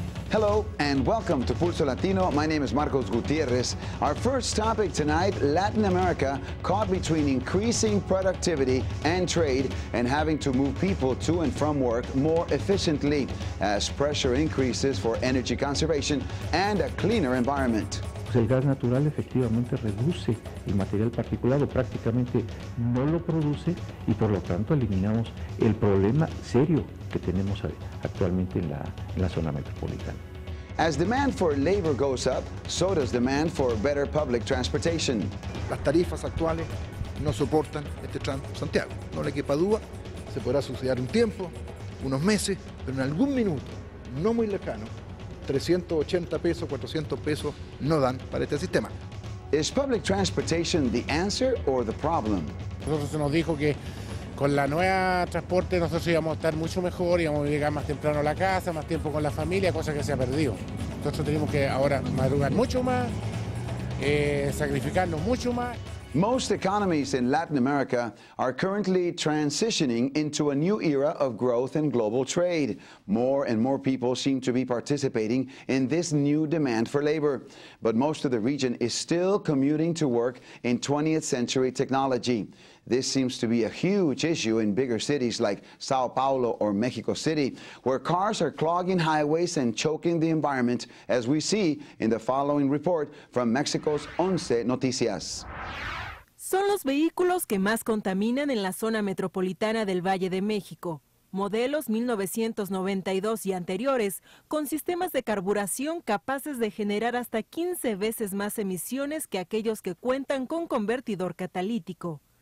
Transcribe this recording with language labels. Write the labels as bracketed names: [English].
[English] Hello and welcome to Pulso Latino. My name is Marcos Gutierrez. Our first topic tonight, Latin America, caught between increasing productivity and trade and having to move people to and from work more efficiently as pressure increases for energy conservation and a cleaner environment. [Spanish] El gas natural efectivamente reduce el material particulado, prácticamente no lo produce y por lo tanto eliminamos el problema serio que tenemos actualmente en la zona metropolitana. [English] As demand for labor goes up, so does demand for better public transportation. [Spanish] Las tarifas actuales no soportan este tránsito de Santiago. No le quepa duda, se podrá subsidiar un tiempo, unos meses, pero en algún minuto, no muy lejano, 380 pesos, 400 pesos no dan para este sistema. [English] Is public transportation the answer or the problem? [Spanish] Nosotros se nos dijo que con la nueva transporte nosotros íbamos a estar mucho mejor, íbamos a llegar más temprano a la casa, más tiempo con la familia, cosa que se ha perdido. Nosotros tenemos que ahora madrugar mucho más, sacrificarnos mucho más. [English] Most economies in Latin America are currently transitioning into a new era of growth and global trade. More and more people seem to be participating in this new demand for labor. But most of the region is still commuting to work in 20th century technology. This seems to be a huge issue in bigger cities like Sao Paulo or Mexico City, where cars are clogging highways and choking the environment, as we see in the following report from Mexico's Once Noticias. [Spanish] Son los vehículos que más contaminan en la zona metropolitana del Valle de México. Modelos 1992 y anteriores, con sistemas de carburación capaces de generar hasta 15 veces más emisiones que aquellos que cuentan con convertidor catalítico.